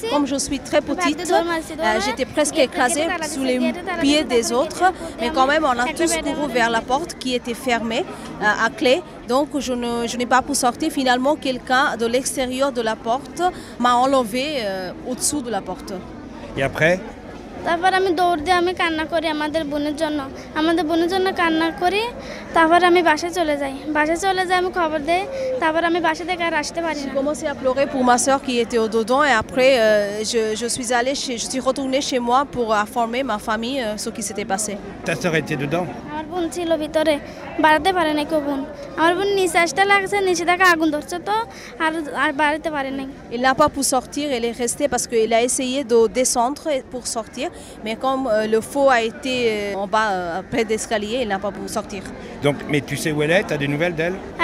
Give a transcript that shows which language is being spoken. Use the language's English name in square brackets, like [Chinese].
[French] Comme je suis très petite, j'étais presque écrasée sous les pieds des autres. Mais quand même, on a tous couru vers la porte qui était fermée à clé. Donc, je n'ai pas pu sortir. Finalement, quelqu'un de l'extérieur de la porte m'a enlevée au-dessous de la porte. Et après? [Bangla] তারপর আমি দৌড় দিয়ে আমি কান্না করি আমাদের বোনের জন্য আমাদের বোনের জন্য কান্না করি তারপর আমি বাসায় চলে যাই আমি খবর দেই তারপর আমি বাসা থেকে আর আসতে পারি না [French] comme si a pleuré pour ma sœur qui était au dedans et après je suis retournée chez moi pour informer ma famille ce qui s'était passé. Ta sœur était dedans? [Bangla] আমার বোন ছিল ভিতরে বাড়াতে পারে নাই কোন আমার বোন নিচে আসতে লাগছে নিচে থেকে আগুন ধরছে তো আর আর বাড়াতে পারে নাই. [French] Elle n'a pas pu sortir, elle est restée parce qu'elle a essayé de descendre pour sortir. Mais comme le feu a été en bas, près d'escalier, il n'a pas pu sortir. Donc, mais tu sais où elle est? Tu as des nouvelles d'elle?